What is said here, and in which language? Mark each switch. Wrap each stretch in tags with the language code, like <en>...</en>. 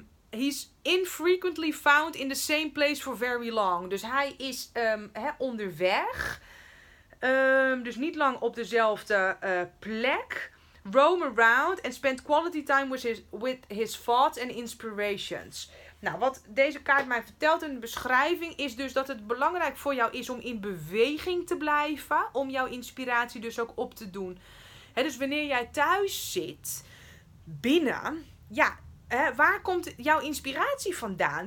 <en>He's infrequently found in the same place for very long.</en> <nl>Dus hij is onderweg. Dus niet lang op dezelfde plek.</nl> <en>Roam around and spend quality time with his thoughts and inspirations.</en> <nl>Nou, wat deze kaart mij vertelt in de beschrijving is dus dat het belangrijk voor jou is om in beweging te blijven. Om jouw inspiratie dus ook op te doen. He, dus wanneer jij thuis zit, binnen, ja, waar komt jouw inspiratie vandaan?</nl>